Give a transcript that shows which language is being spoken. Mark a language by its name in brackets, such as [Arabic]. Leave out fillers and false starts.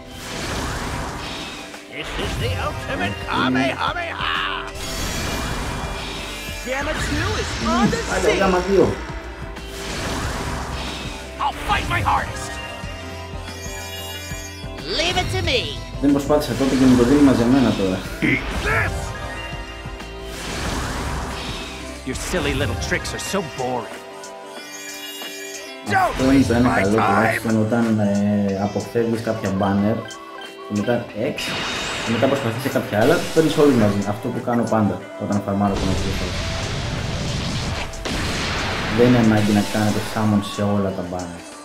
[English] This is the ultimate Kamehameha! Gamma 2 is on the scene! I'll fight my hardest! Leave it to me! [Greek] Δεν προσπάθησα τότε και μου το δίνει μαζεμένα τώρα. [English] Eat this! Your silly little tricks are so boring. [Greek] Αυτό είναι το ένα καλό τουλάχιστον όταν αποφεύγεις κάποια banner και μετά 6 και μετά προσπαθείς σε κάποια άλλα, παίρνεις όλους μαζί. Αυτό που κάνω πάντα όταν φαρμάρω τον εξήφαλο. Δεν είναι ανάγκη να κάνετε summon σε όλα τα banner.